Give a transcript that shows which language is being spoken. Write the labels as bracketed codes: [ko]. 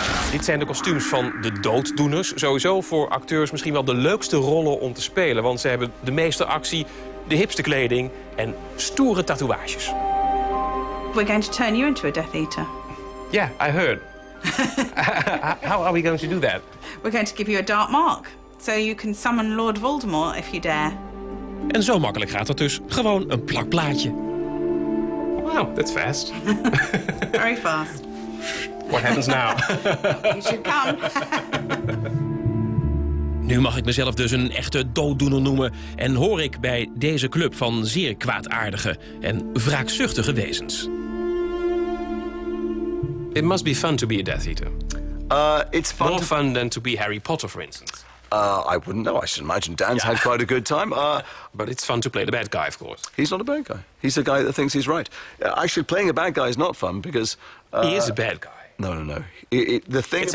[nl] Dit zijn de kostuums van de dooddoeners. Sowieso voor acteurs misschien wel de leukste rollen om te spelen. Want ze hebben de meeste actie, de hipste kleding en stoere tatoeages. [en] We're going to turn you into a Death Eater. Yeah, I heard. How are we going to do that? We're going to give you a dark mark. So you can summon Lord Voldemort if you dare. [nl] En zo makkelijk gaat dat dus. Gewoon een plakplaatje. [en] Wow, that's fast. Very fast. What happens now? You should come. [nl] Nu mag ik mezelf dus een echte dooddoener noemen. En hoor ik bij deze club van zeer kwaadaardige en wraakzuchtige wezens. [en] It must be fun to be a Death Eater. It's fun. More fun than to be Harry Potter, for instance. I wouldn't know. I should imagine Dan's had quite a good time. But it's fun to play the bad guy, of course. He's not a bad guy. He's a guy that thinks he's right. Actually, playing a bad guy is not fun because... He is a bad guy. No. It's